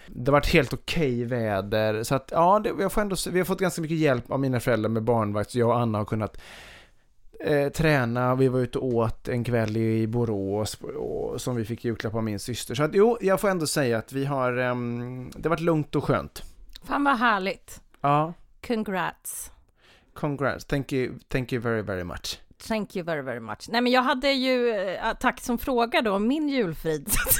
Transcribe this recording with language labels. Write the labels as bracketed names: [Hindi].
[Swedish] Det var ett helt okej väder, så att ja, vi har fått ganska mycket hjälp av mina föräldrar med barnvakt, så jag och Anna har kunnat träna, vi var ute och åt en kväll i Borås och som vi fick julklapp av min syster. Så att, jo, jag får ändå säga att vi har det har varit lugnt och skönt. Fan vad härligt. Ja. [English] Congrats. Congrats. Thank you very, very much. Thank you very, very much. [Swedish] Nej, men jag hade ju, tack som fråga då, min julfrid.